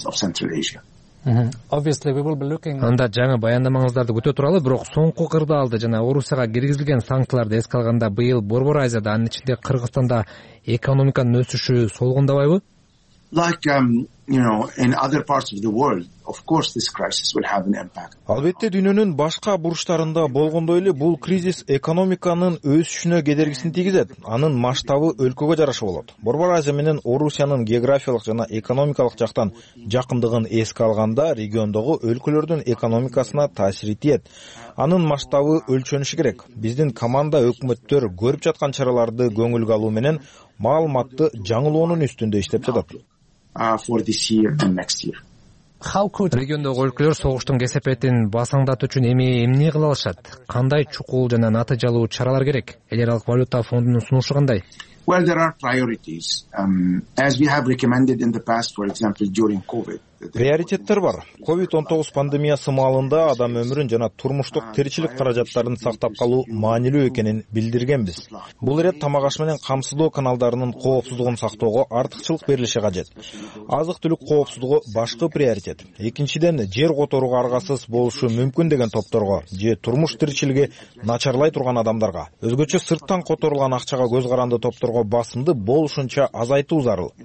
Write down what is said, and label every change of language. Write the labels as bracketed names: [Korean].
[Kyrgyz] Анда жаңы баяндамаңыздарды күтө туралы, бирок соңку кырдаалды жана Орусияга киргизилген санкцияларды эске алганда быйыл Борбор Азияда, анын ичинде Кыргызстанда экономиканын өсүшү солгундабайбы? [English] In other parts of the world, of course, this crisis will have an impact. [Kyrgyz] Албетте, дүйнөнүн башка бурчтарында болгондой эле бул кризис экономиканын өсүшүнө кедергисин тийгизет. Анын масштабы өлкөгө жараша болот. Борбор Азия менен Орусиянын географиялык жана экономикалык жактан жакындыгын эске алганда, региондогу өлкөлөрдүн экономикасына таасири тиет. Анын масштабы өлчөнүшү керек. Биздин команда өкмөттөр көрүп жаткан чараларды көңүлгө алуу менен маалыматты жаңылоонун үстүндө иштеп жатат. [English] For this year and next year. [Kyrgyz] Региондогу өлкөлөр согуштун кесепетин басаңдатуу үчүн эмне кыла алышат? Кандай чукул жана натыйжалуу чаралар керек? Эл аралык валюта фондунун сунушу кандай? [English] Well, there are priorities. As we have recommended in the past, for example, during COVID. [Kyrgyz] Приоритеттер бар. COVID-19 пандемиясы маалында адам өмүрүн жана турмуштук тиричилик каражаттарын сактап калуу маанилүү экенин билдиргенбиз. Бул ирет тамак аш менен камсыздоо каналдарынын коопсуздугун сактоого артыкчылык берилиши кажет. Азык-түлүк коопсуздугу башкы приоритет. Экинчиден, жер которууга аргасыз болушу мүмкүн деген топторго же турмуш тиричилиги начарлай турган адамдарга, өзгөчө сырттан которулган акчага көз каранды топторго басымды болушунча азайтуу зарыл.